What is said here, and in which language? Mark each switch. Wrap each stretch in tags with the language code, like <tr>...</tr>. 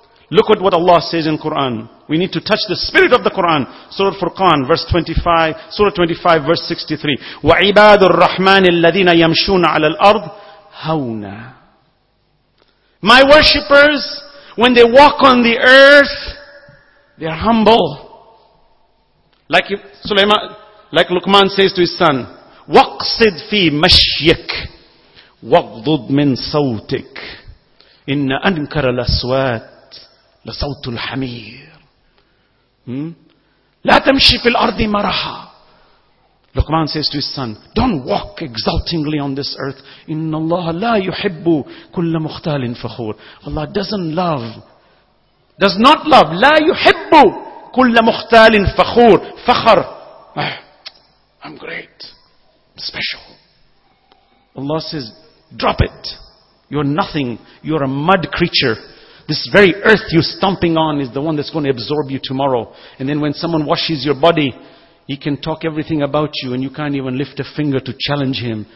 <en>Look at what Allah says in Quran. We need to touch the spirit of the Quran. Surah Furqan, verse 25, Surah 25, verse 63.</en> <ar>وَعِبَادُ الرَّحْمَنِ الَّذِينَ يَمْشُونَ عَلَى الْأَرْضِ هَوْنَا.</ar> <en>My worshippers, when they walk on the earth, they are humble. Like Luqman says to his son,</en> <ar>وَقْصِدْ فِي مَشْيِكَ وَغْضُضْ مِنْ صَوْتِكَ إِنَّ أَنْكَرَ الْأَصْوَاتِ لَصَوْتُ الْحَمِيرِ. لَا تَمْشِي فِي الْأَرْضِ مَرَحًا.</ar> <en>Luqman says to his son, don't walk exultingly on this earth.</en> <ar>إِنَّ اللَّهَ لَا يُحِبُّ كُلَّ مُخْتَالٍ فَخُورٍ.</ar> <en>Allah does not love,</en> <ar>لَا يُحِبُّ كُلَّ مُخْتَالٍ فَخُورٍ.</ar> <en>فَخَر, I'm great, special. Allah says, drop it. You're nothing. You're a mud creature. This very earth you're stomping on is the one that's going to absorb you tomorrow. And then when someone washes your body, he can talk everything about you and you can't even lift a finger to challenge him.</en>